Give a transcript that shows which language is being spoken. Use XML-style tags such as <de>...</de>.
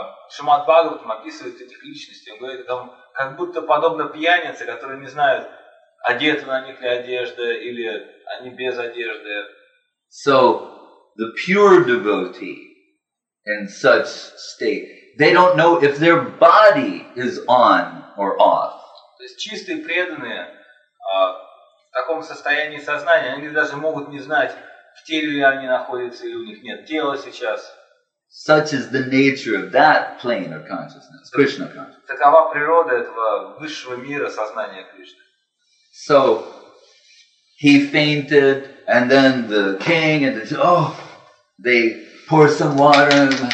<ru>Шримад Бхагаватам описывает этих личностей. Он говорит, там, как будто подобно пьянице, которые не знают, одеты на них ли одежда, или они без одежды.</ru> <en>So, the pure devotee in such state, they don't know if their body is on or off.</en> <ru>То есть чистые преданные в таком состоянии сознания, они даже могут не знать, в теле ли они находятся, или у них нет тела сейчас.</ru> <en>Such is the nature of that plane of consciousness, Krishna consciousness.</en> <ru>Такова природа этого высшего мира сознания Кришны.</ru> <en>So he fainted, and then the king and they pour some water.</en>